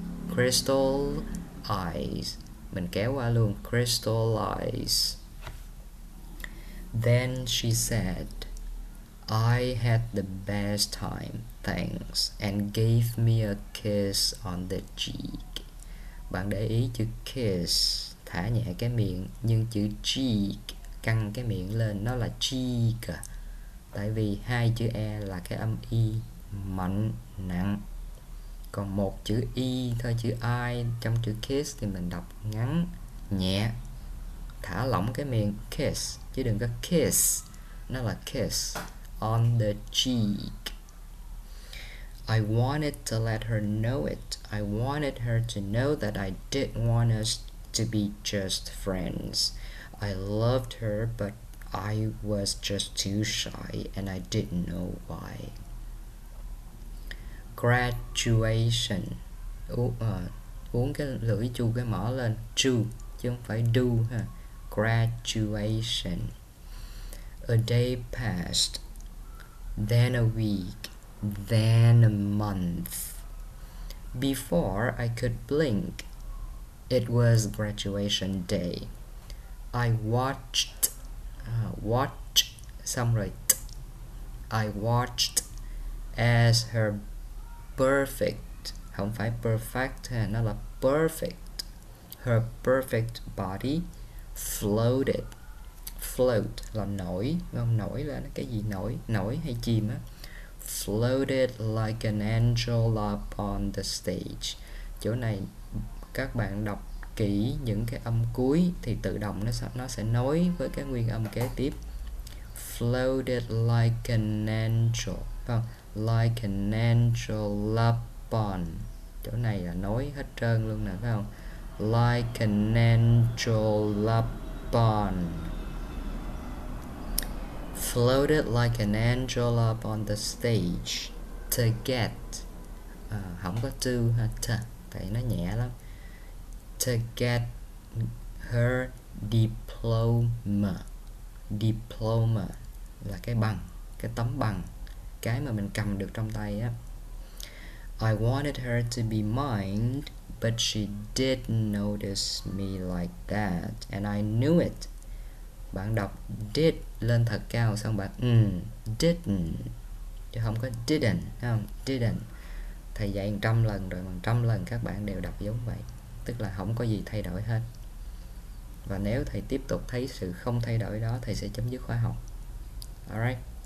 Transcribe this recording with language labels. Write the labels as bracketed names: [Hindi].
[English] Crystal eyes. [Vietnamese] Mình kéo qua luôn. [English] Crystal eyes. Then she said, I had the best time, thanks, and gave me a kiss on the cheek. [Vietnamese] Bạn để ý chữ kiss, thả nhẹ cái miệng, nhưng chữ cheek, căng cái miệng lên, nó là cheek. Tại vì hai chữ E là cái âm Y, mạnh, nặng. Còn một chữ Y thôi, chữ I trong chữ kiss thì mình đọc ngắn, nhẹ. Thả lỏng cái miệng, kiss, chứ đừng có kiss, nó là kiss. [English] On the cheek. I wanted to let her know it. I wanted her to know that I didn't want us to be just friends. I loved her, but I was just too shy and I didn't know why. Graduation. [Vietnamese] Uống cái lưỡi chu cái mỏ lên. Chu, chứ không phải do ha. Graduation. [English] A day passed. Then a week, then a month. Before I could blink, it was graduation day. I watched, watch, [Vietnamese] xong rồi t. [English] I watched as her perfect, [Vietnamese] không phải perfect, nó là perfect. [English] Her perfect body floated. [Vietnamese] Float là nổi, không nổi là cái gì nổi, nổi hay chìm á. [English] Floated like an angel up on the stage. [Vietnamese] Chỗ này các bạn đọc kỹ những cái âm cuối thì tự động nó sẽ nối với cái nguyên âm kế tiếp. [English] Floated like an angel, [Vietnamese] không, [English] like an angel up on. [Vietnamese] Chỗ này là nối hết trơn luôn nè, phải không? [English] Like an angel up on. Floated like an angel up on the stage. To get, [Vietnamese] không có to ha, to, tại nó nhẹ lắm. [English] To get her diploma. [Vietnamese] Diploma là cái bằng, cái tấm bằng, cái mà mình cầm được trong tay á. [English] I wanted her to be mine, but she didn't notice me like that, and I knew it. [Vietnamese] Bạn đọc did lên thật cao, xong bạn didn't, chứ không có didn't, không, didn't. Thầy dạy 100 lần rồi, 100 lần các bạn đều đọc giống vậy, tức là không có gì thay đổi hết. Và nếu thầy tiếp tục thấy sự không thay đổi đó, thầy sẽ chấm dứt khóa học. Alright.